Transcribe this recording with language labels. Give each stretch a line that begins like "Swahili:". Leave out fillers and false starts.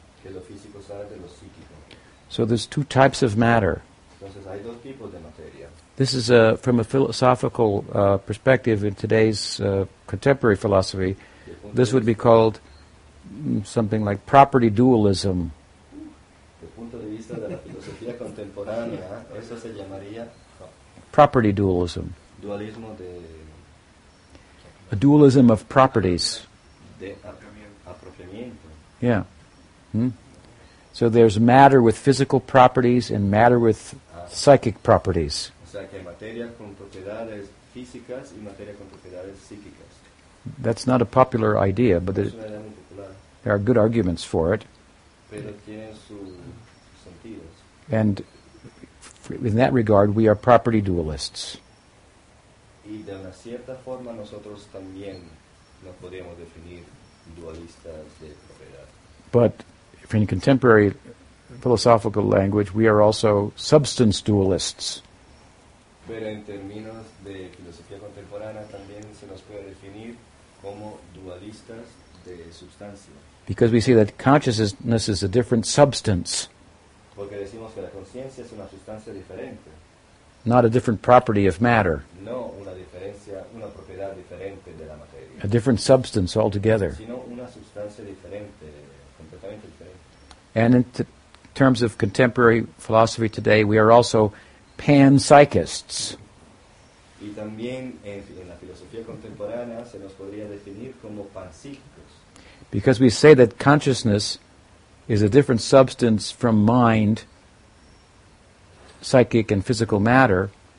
Spanish: Que lo físico sale de lo psíquico.
English: So there's two types of matter.
Spanish: Entonces, hay dos tipos de materia.
English: This is from a philosophical perspective in today's contemporary philosophy. This would be called something like property dualism.
Spanish: De punto de vista de la filosofía contemporánea, eso se llamaría
English: property dualism.
Spanish: Dualismo de
English: a dualism of properties.
Spanish: De apropiamiento. Yeah.
English: So there's matter with physical properties and matter with psychic properties.
Spanish: O sea, que materia con propiedades físicas y materia con propiedades psíquicas.
English: That's not a popular idea, but there are good arguments for it.
Spanish: Pero tienen sus sentidos.
English: And in that regard, we are property dualists.
Spanish: Y de una cierta forma, nosotros también nos podemos definir dualistas de propiedad.
English: But in contemporary philosophical language, we are also substance dualists.
Spanish: Pero en términos de filosofía contemporánea, también se nos puede definir como dualistas de sustancia.
English: Because we see that consciousness is a different substance.
Spanish: Porque decimos que la conciencia es una sustancia diferente.
English: Not a different property of matter.
Spanish: No, una diferencia, una propiedad diferente de la materia.
English: A different substance altogether.
Spanish: Sino una sustancia diferente, completamente diferente.
English: And in terms of contemporary philosophy today, we are also panpsychists.
Spanish: Y también en la filosofía contemporánea se nos podría definir como panpsíquicos.
English: Because we say that consciousness is a different substance from mind, psychic and physical matter.